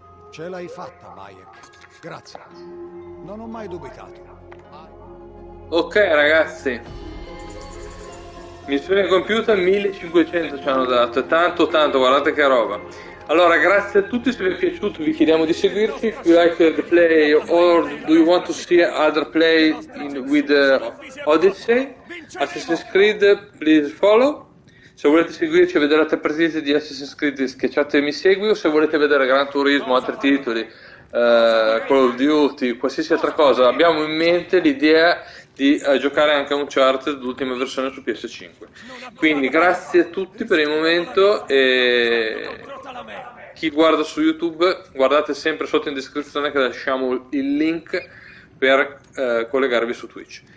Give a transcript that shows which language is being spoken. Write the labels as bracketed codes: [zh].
[it] Ce l'hai fatta, Bayek. Grazie. Non ho mai dubitato. Ok, ragazzi. Missione compiuta, 1500 ci hanno dato. Tanto, tanto, guardate che roba. Allora, grazie a tutti, se vi è piaciuto vi chiediamo di seguirci. [en] If you like the play or do you want to see other play in, with Odyssey, Assassin's Creed, please follow. [it] Se volete seguirci e vedere altre partite di Assassin's Creed, schiacciatemi segui. O se volete vedere Gran Turismo, altri titoli, Call of Duty, qualsiasi altra cosa, abbiamo in mente l'idea di giocare anche un chart dell'ultima versione su PS5. Quindi grazie a tutti per il momento e chi guarda su YouTube, guardate sempre sotto in descrizione che lasciamo il link per collegarvi su Twitch.